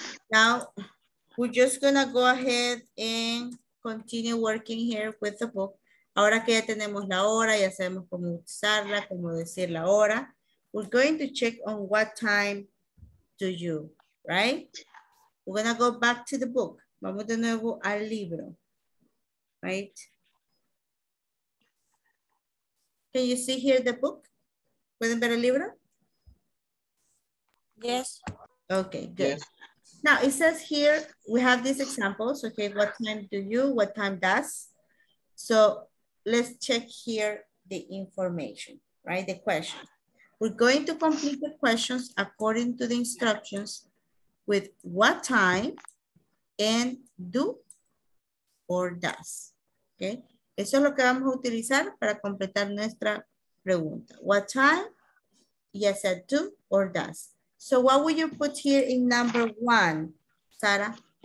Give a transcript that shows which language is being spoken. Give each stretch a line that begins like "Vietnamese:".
English: Now, we're just gonna go ahead and continue working here with the book.
Spanish: Ahora que ya tenemos la hora, ya sabemos cómo usarla, cómo decir la hora.
English: We're going to check on what time do you, right? We're gonna go back to the book.
Spanish: Vamos de nuevo al libro,
English: right? Can you see here the book?
Spanish: ¿Pueden ver el libro?
English: Yes. Okay, good. Yes. Now it says here, we have these examples. Okay, what time do you, what time does? So let's check here the information, right? The question. We're going to complete the questions according to the instructions with what time and do or does.
Spanish: Okay, eso es lo que vamos a utilizar para completar nuestra pregunta.
English: What time, yes, at do or does. So what would you put here in number one, Sarah?